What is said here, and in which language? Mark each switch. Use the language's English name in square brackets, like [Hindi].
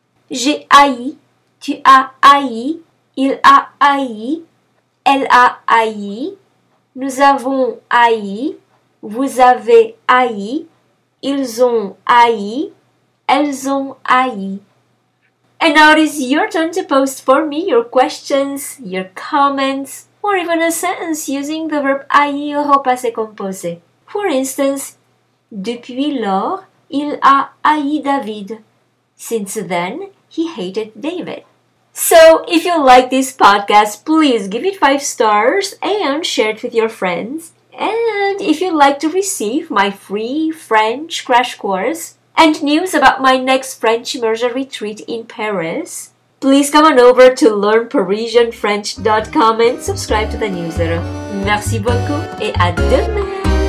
[French] J'ai haï, tu as haï, il a haï, elle a haï, nous avons haï, vous avez haï, ils ont haï, elles ont haï. [English] And now it is your turn to post for me your questions, your comments, or even a sentence using the verb [French] haïr au passé composé. [English] For instance, [French] depuis lors, il a haï David. [English] Since then, he hated David. So, if you like this podcast, please give it 5 stars and share it with your friends. And if you'd like to receive my free French crash course and news about my next French immersion retreat in Paris, please come on over to learnparisianfrench.com and subscribe to the newsletter. [French] Merci beaucoup et à demain!